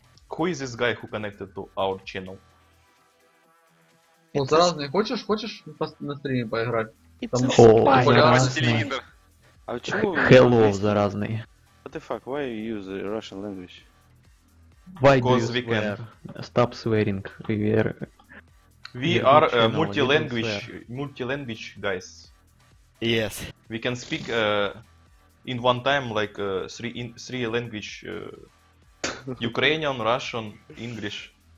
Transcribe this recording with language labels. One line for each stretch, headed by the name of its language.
English: Who is this guy who connected to our channel?
Russian: Вот сразу, хочешь на стриме поиграть? О, заразный. А чего?
English: Hello, заразный. What the fuck, why you use the Russian language? Why do you swear? Stop swearing, we're... We are multi-language guys. Yes. We can speak in one time like three language: Ukrainian, Russian, English.